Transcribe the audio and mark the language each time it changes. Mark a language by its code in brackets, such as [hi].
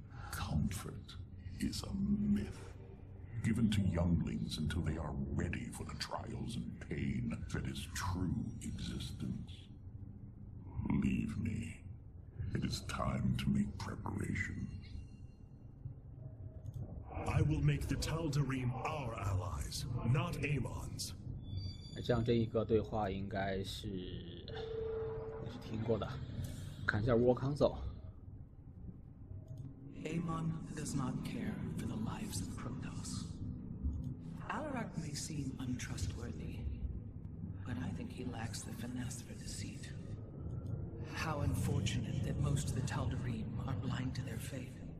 [en] Comfort is a myth given to younglings until they are ready for the trials and pain that is true existence. Leave me. It is time to make preparations. I will make the Tal'Darim our allies, not Amon's. [zh] 像这一个对话应该是听过的，看一下 War Council。 [en] Amon does not care for the lives of Protoss. Alarak may seem untrustworthy, but I think he lacks the finesse for deceit. How unfortunate that most of the Tal'Darim are blind to their fate.